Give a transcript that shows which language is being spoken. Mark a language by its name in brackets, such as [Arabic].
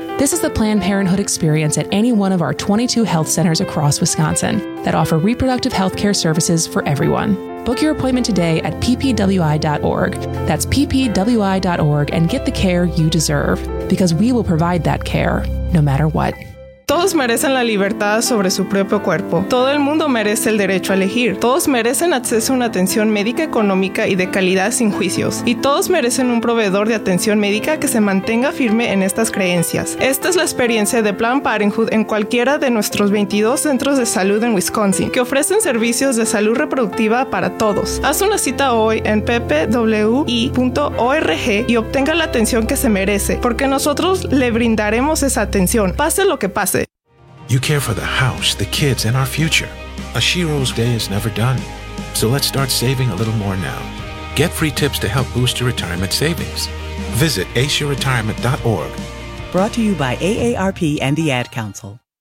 [English] This is the Planned Parenthood experience at any one of our 22 health centers across Wisconsin that offer reproductive health care services for everyone. Book your appointment today at ppwi.org. That's ppwi.org, and get the care you deserve, because we will provide that care, no matter what. [Spanish] Todos merecen la libertad sobre su propio cuerpo. Todo el mundo merece el derecho a elegir. Todos merecen acceso a una atención médica económica y de calidad sin juicios. Y todos merecen un proveedor de atención médica que se mantenga firme en estas creencias. Esta es la experiencia de Planned Parenthood en cualquiera de nuestros 22 centros de salud en Wisconsin, que ofrecen servicios de salud reproductiva para todos. Haz una cita hoy en ppwi.org y obtenga la atención que se merece, porque nosotros le brindaremos esa atención, pase lo que pase. [English] You care for the house, the kids, and our future. Ashiro's day is never done. So let's start saving a little more now. Get free tips to help boost your retirement savings. Visit AshiroRetirement.org. Brought to you by AARP and the Ad Council.